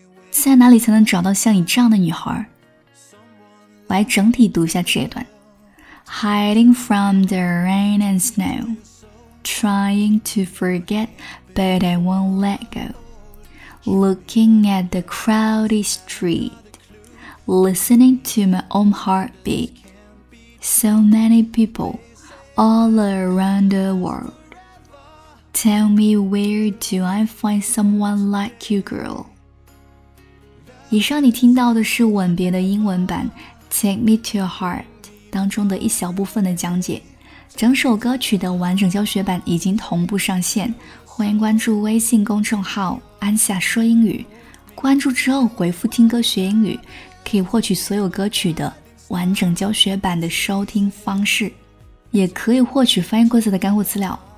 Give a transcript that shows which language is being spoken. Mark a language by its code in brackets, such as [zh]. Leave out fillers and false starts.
[zh] 在哪里才能找到像你这样的女孩来整体读一下这一段 [en] Hiding from the rain and snow Trying to forget But I won't let go looking at the crowded street, listening to my own heartbeat. So many people all around the world. Tell me, where do I find someone like you, girl? [zh] 以上你听到的是吻别的英文版 Take Me to Your Heart 当中的一小部分的讲解。整首歌曲的完整教学版已经同步上线，欢迎关注微信公众号安夏说英语，关注之后回复听歌学英语，可以获取所有歌曲的完整教学版的收听方式，也可以获取翻译规则的干货资料。